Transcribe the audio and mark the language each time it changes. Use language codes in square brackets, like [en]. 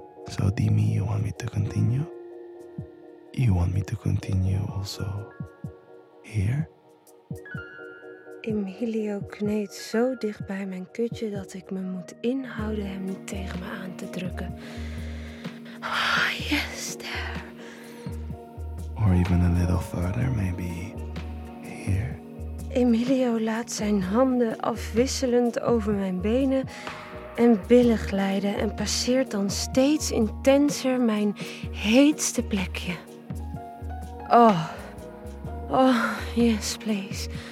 [en] So [it] dimmi, [en] you want me to continue? You want me to continue also here? [nl] Emilio kneedt zo dicht bij mijn kutje dat ik me moet inhouden hem niet tegen me aan te drukken. [en] Oh, yes, there. Or even a little further, maybe here. [nl] Emilio laat zijn handen afwisselend over mijn benen en billen glijden en passeert dan steeds intenser mijn heetste plekje. [en] Oh, oh, yes, please.